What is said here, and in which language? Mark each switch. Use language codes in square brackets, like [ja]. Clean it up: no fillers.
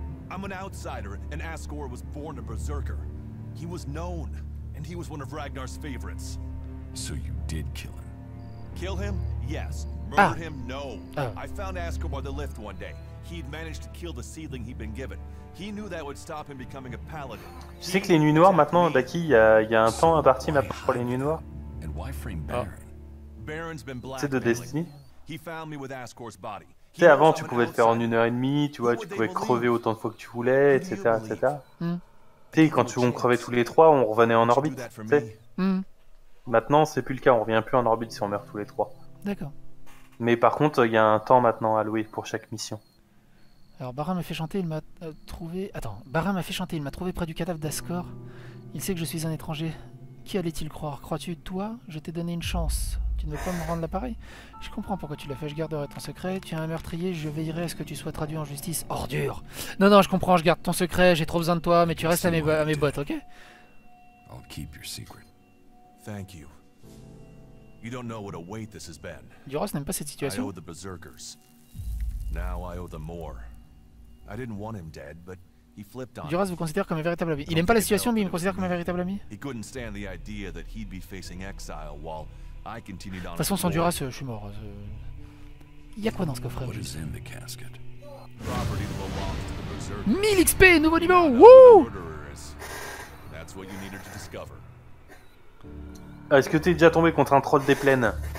[en] I'm an outsider and Ascor was born a berserker. He was known and he was one of Ragnar's favorites. So you did kill him. Kill him? Yes. Murdered him? No. I found Ascor by the lift one day. He'd managed to kill the seedling he'd been given. He knew that would stop him becoming a paladin. [fr] Tu sais que les nuits noires maintenant, Daki, il y a un temps imparti pour les nuits noires. [en] And why frame Baron? Baron's been black. [fr] C'est de Destiny. [en] He found me with Ascor's body. [fr] Tu sais, avant, tu pouvais le faire en 1h30, tu vois, tu pouvais crever autant de fois que tu voulais, etc., etc. Tu sais, quand on crevait tous les trois, on revenait en orbite. Maintenant, c'est plus le cas, on revient plus en orbite si on meurt tous les trois. D'accord. Mais par contre, il y a un temps maintenant alloué pour chaque mission. Alors, Baron m'a fait chanter, il m'a trouvé. Attends, Baron m'a fait chanter, il m'a trouvé près du cadavre d'Ascor. Il sait que je suis un étranger. Qui allait-il croire? Crois-tu, toi? Je t'ai donné une chance. Tu ne veux pas me rendre l'appareil? Je comprends pourquoi tu l'as fait, je garderai ton secret. Tu es un meurtrier, je veillerai à ce que tu sois traduit en justice. Ordure! Non, non, je comprends, je garde ton secret, j'ai trop besoin de toi, mais tu restes à mes bottes, ok? [en] I'll keep your secret. Thank you. You don't know what a weight this has been. [fr] Duras n'aime pas cette situation. [en] I owe the berserkers. Now I owe them more. I didn't want him dead, but he flipped on. [fr] Duras vous considère comme un véritable ami. Il n'aime pas la situation, mais il me considère comme un véritable ami. [en] He couldn't stand the idea that he'd be facing exile while I continued on. [fr] De toute façon, sans Duras, je suis mort. Y a quoi dans ce coffret? [en] What is in the casket? Property that belongs to the berserkers. 1000 XP, [fr] nouveau niveau. [en] Woo! That's what you needed to discover. [fr] Est-ce que t'es déjà tombé contre un troll des plaines?